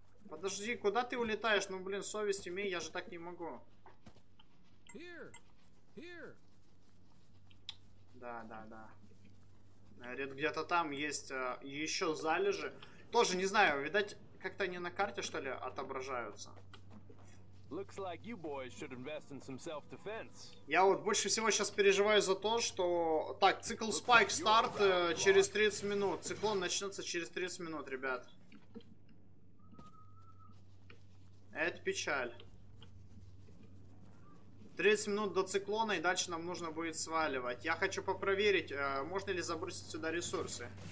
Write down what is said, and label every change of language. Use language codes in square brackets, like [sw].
[ru] Подожди, куда ты улетаешь? Ну блин, совесть имей, я же так не могу. Да, да, да. Говорит, где-то там есть еще залежи. Тоже не знаю, видать, как-то они на карте, что ли, отображаются. [en] Looks like you boys should invest in some self-defense. [ru] Я вот больше всего сейчас переживаю за то, что... Так, цикл спайк старт через 30 минут. Циклон начнется через 30 минут, ребят. Это печаль. 30 минут до циклона, и дальше нам нужно будет сваливать. Я хочу попроверить, можно ли забросить сюда ресурсы.